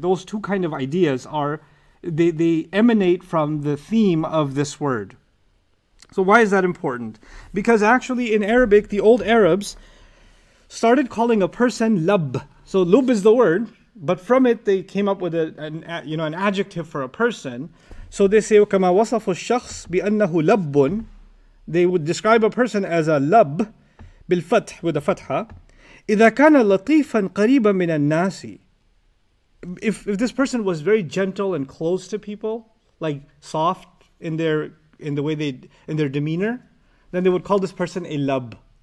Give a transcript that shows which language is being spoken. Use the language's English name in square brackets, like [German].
[English] Those two kind of ideas are they emanate from the theme of this word. So why is that important? Because actually in Arabic, the old Arabs started calling a person lub. So lub is the word, but from it they came up with an adjective for a person. So they say, [Arabic] وَكَمَا وَصَفُ الشَّخْصِ بِأَنَّهُ لَبٌّ. [English] They would describe a person as a lub, [Arabic] بِالْفَتْحِ, [English] with a fatha. [Arabic] إِذَا كَانَ لَطِيفًا قَرِيبًا مِنَ النَّاسِ. [English] if this person was very gentle and close to people, like soft in their in the way they in their demeanor, then they would call this person a lub.